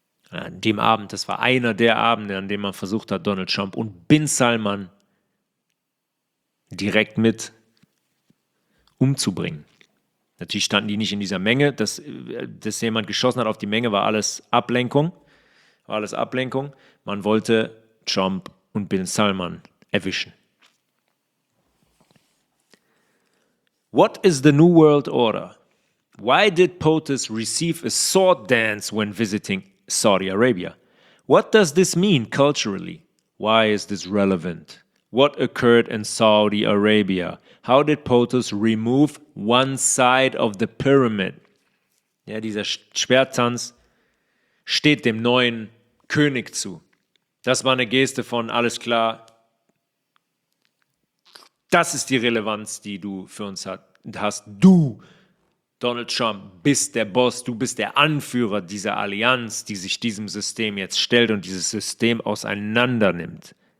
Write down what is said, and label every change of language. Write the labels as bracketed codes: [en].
[de] An dem Abend, das war einer der Abende, an dem man versucht hat, Donald Trump und Bin Salman direkt mit umzubringen. Natürlich standen die nicht in dieser Menge, dass jemand geschossen hat auf die Menge, war alles Ablenkung. Man wollte Trump und Bin Salman erwischen. [en] What is the New World Order? Why did POTUS receive a sword dance when visiting Saudi Arabia? What does this mean culturally? Why is this relevant? What occurred in Saudi Arabia? How did POTUS remove one side of the pyramid? [de] Ja, dieser Schwerttanz steht dem neuen König zu. Das war eine Geste von, alles klar, das ist die Relevanz, die du für uns hast. Du, Donald Trump, bist der Boss, du bist der Anführer dieser Allianz, die sich diesem System jetzt stellt und dieses System auseinandernimmt.